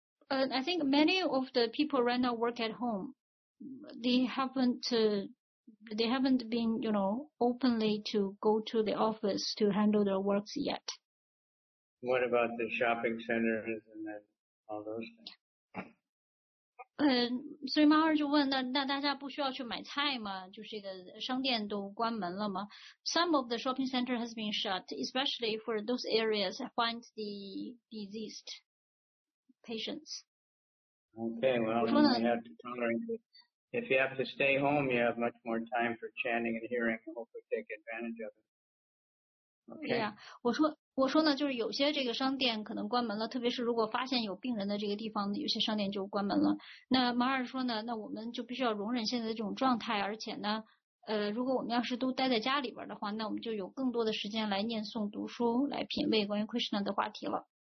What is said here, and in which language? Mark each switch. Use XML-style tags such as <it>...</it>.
<en>I think many of the people right now work at home. They haven't been, you know, openly to go to the office to handle their works yet. What about the shopping centers and all those things?</en> <zh>所以猫儿就问，那大家不需要去买菜吗？就是这个商店都关门了吗？</zh> <en>Some of the shopping center has been shut, especially for those areas that find the diseased patients. Okay, well, you have to tolerate it. If you have to stay home, you have much more time for chanting and hearing. Hopefully take advantage of it.</en> <zh>对呀，我说呢，就是有些这个商店可能关门了，特别是如果发现有病人的这个地方，有些商店就关门了。那马尔说呢，那我们就必须要容忍现在的这种状态，而且呢，如果我们要是都待在家里边的话，那我们就有更多的时间来念诵、读书、来品味关于 Krishna 的话题了。</zh>